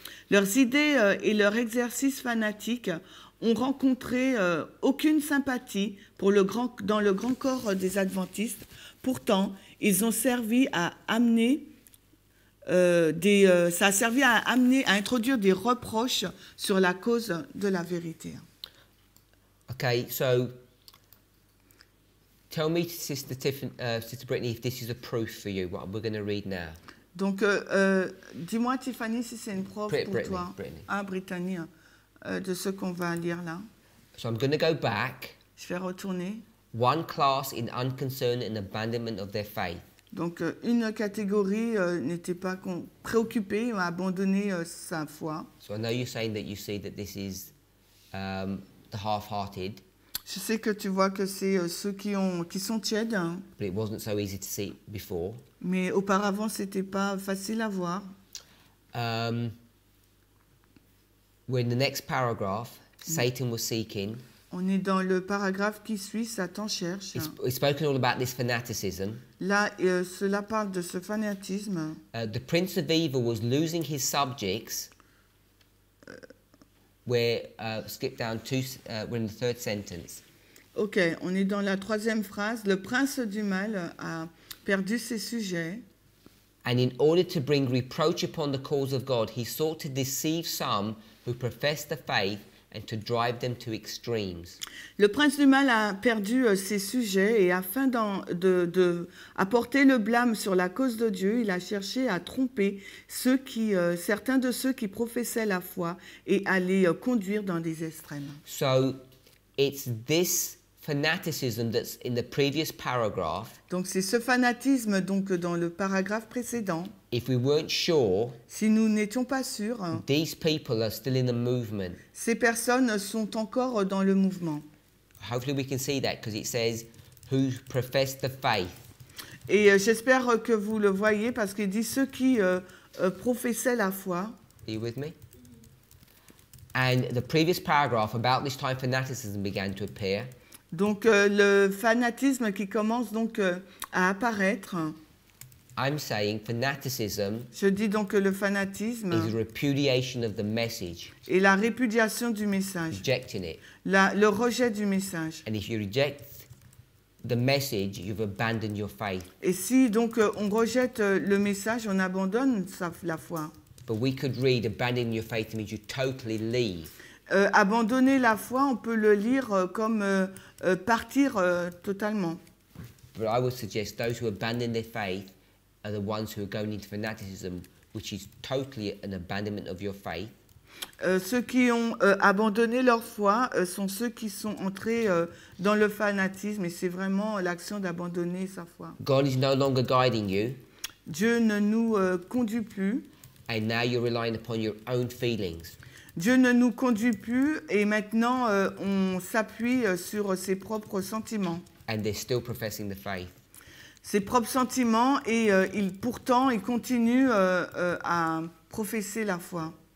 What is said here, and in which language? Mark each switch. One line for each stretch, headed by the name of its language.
French: Leurs idées et leur exercice fanatique ont rencontré aucune sympathie dans le grand corps des adventistes. Pourtant, ils ont servi à amener ça a servi à amener à introduire des reproches sur la cause de la vérité.
English: Okay, so tell me, Sister Brittany, if this is a proof for you, what we're going to read now.
French: Donc, dis-moi, Tiffany, si c'est une preuve pour toi, Brittany, de ce qu'on va lire là.
English: So I'm going to go back.
French: Je vais retourner.
English: One class in unconcern and abandonment of their faith.
French: Donc, une catégorie n'était pas préoccupée, a abandonné sa foi.
English: So I know you're saying that you see that this is the half-hearted.
French: Je sais que tu vois que c'est ceux qui sont tièdes.
English: But it wasn't so easy to see before.
French: Mais auparavant, c'était pas facile à voir.
English: When the next paragraph, Satan was seeking.
French: On est dans le paragraphe qui suit. Satan cherche.
English: It's spoken all about this fanaticism.
French: Là, cela parle de ce fanatisme.
English: The prince of evil was losing his subjects. Skip down to we're in the third sentence.
French: Okay, on est dans la troisième phrase. Le prince du mal a perdu ses sujets.
English: And in order to bring reproach upon the cause of God, he sought to deceive some who profess the faith and to drive them to extremes.
French: Le prince du mal a perdu ses sujets et afin de apporter le blâme sur la cause de Dieu, il a cherché à tromper certains de ceux qui professaient la foi et à les conduire dans des extrêmes.
English: So, it's this fanaticism that's in the previous paragraph.
French: Donc c'est ce fanatisme donc dans le paragraphe précédent.
English: If we weren't sure,
French: si nous n'étions pas sûrs,
English: these people are still in the movement.
French: Ces personnes sont encore dans le mouvement.
English: Hopefully we can see that because it says who profess the faith.
French: Et j'espère que vous le voyez parce qu'il dit ceux qui professaient la foi.
English: Are you with me? And the previous paragraph about this time fanaticism began to appear.
French: Donc le fanatisme qui commence donc à apparaître.
English: I'm saying fanaticism.
French: Je dis donc que le fanatisme
English: is a repudiation of the message.
French: Et la répudiation du message.
English: Rejecting it.
French: Le rejet du message.
English: And if you reject the message, you've abandoned your faith.
French: Et si donc on rejette le message, on abandonne la foi.
English: But we could read abandoning your faith means you totally leave.
French: Abandonner la foi, on peut le lire comme partir totalement.
English: But I would suggest those who abandon their faith are the ones who are going into fanaticism, which is totally an abandonment of your faith.
French: Ceux qui ont abandonné leur foi sont ceux qui sont entrés dans le fanatisme, et c'est vraiment l'action d'abandonner sa foi.
English: God is no longer guiding you.
French: Dieu ne nous conduit plus.
English: And now you're relying upon your own feelings.
French: Dieu ne nous conduit plus et maintenant on s'appuie sur ses propres sentiments.
English: And they're still professing the faith.
French: Ses propres sentiments et ils continuent à professer la foi.